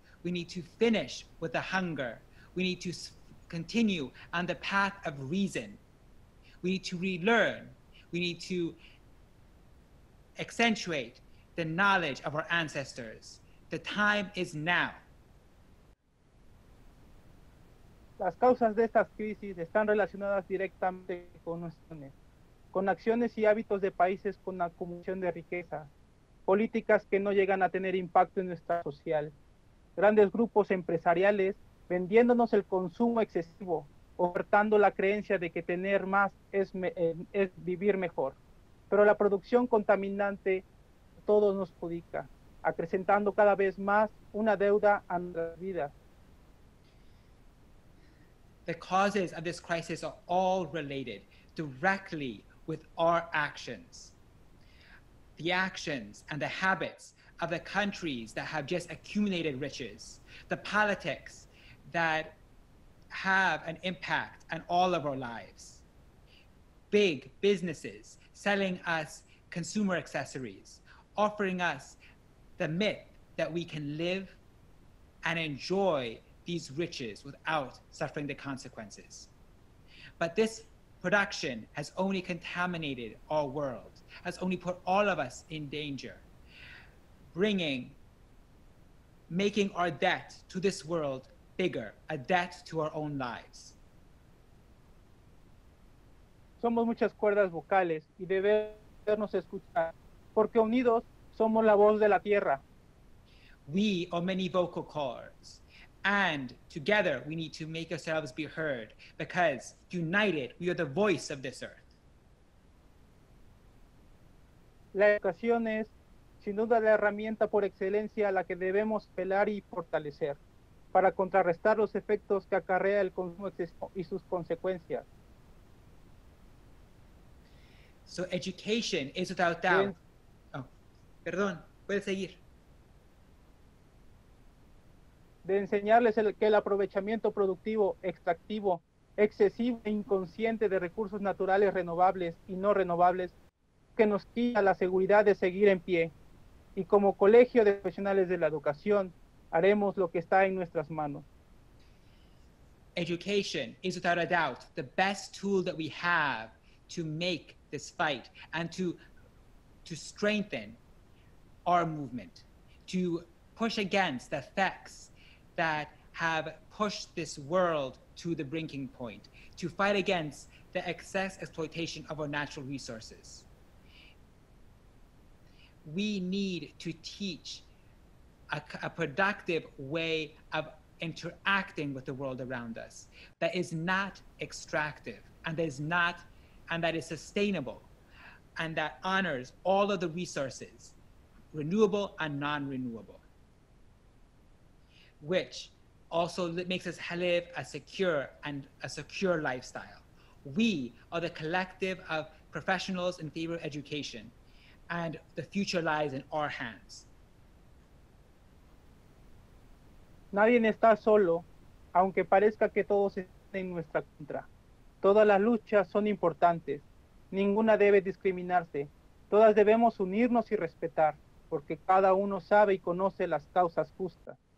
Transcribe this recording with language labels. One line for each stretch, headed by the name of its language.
English: We need to finish with the hunger. We need to continue on the path of reason. We need to relearn. We need to accentuate the knowledge of our ancestors. The time is now.
Spanish: Las causas de estas crisis están relacionadas directamente con acciones y hábitos de países con acumulación de riqueza, políticas que no llegan a tener impacto en nuestra social, grandes grupos empresariales vendiéndonos el consumo excesivo, ofertando la creencia de que tener más es vivir mejor, pero la producción contaminante a todos nos perjudica, acrecentando cada vez más una deuda a nuestras vidas.
English: The causes of this crisis are all related directly with our actions. The actions and the habits of the countries that have just accumulated riches, the politics that have an impact on all of our lives. Big businesses selling us consumer accessories, offering us the myth that we can live and enjoy these riches without suffering the consequences. But this production has only contaminated our world, has only put all of us in danger, making our debt to this world bigger, a debt to our own lives.
Spanish: Somos muchas cuerdas vocales y debemos escuchar, porque unidos somos la voz de la tierra.
English: We are many vocal cords. And together, we need to make ourselves be heard, because united, we are the voice of this earth.
Spanish: La educación es, sin duda, la herramienta por excelencia a la que debemos apelar y fortalecer para contrarrestar los efectos que acarrea el consumo excesivo y sus consecuencias.
English: So education is without doubt.
Spanish: Puede seguir. De enseñarles que el aprovechamiento productivo, extractivo, excesivo e inconsciente de recursos naturales renovables y no renovables, que nos quita la seguridad de seguir en pie. Y como colegio de profesionales de la educación, haremos lo que está en nuestras manos.
English: Education is without a doubt the best tool that we have to make this fight and to strengthen our movement, to push against the effects that have pushed this world to the breaking point, to fight against the excess exploitation of our natural resources. We need to teach a productive way of interacting with the world around us that is not extractive and that is not, and that is sustainable and that honors all of the resources, renewable and non-renewable, which also makes us live a secure lifestyle. We are the collective of professionals in favor of education, and the future lies in our hands.
Spanish: Nadie está solo, aunque parezca que todos están en nuestra contra. Todas las luchas son importantes. Ninguna debe discriminarse. Todas debemos unirnos y respetar, porque cada uno sabe y conoce las causas justas.